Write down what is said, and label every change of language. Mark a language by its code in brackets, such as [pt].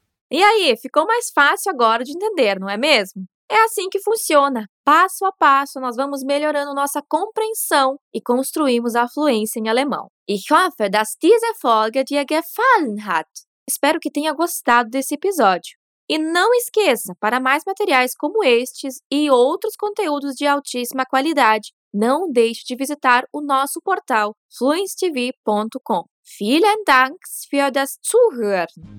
[pt] E aí, ficou mais fácil agora de entender, não é mesmo? É assim que funciona. Passo a passo, nós vamos melhorando nossa compreensão e construímos a fluência em alemão. [de] Ich hoffe, dass diese Folge dir gefallen hat. [pt] Espero que tenha gostado desse episódio. E não esqueça, para mais materiais como estes e outros conteúdos de altíssima qualidade, não deixe de visitar o nosso portal fluencetv.com. [de] Vielen Dank für das Zuhören.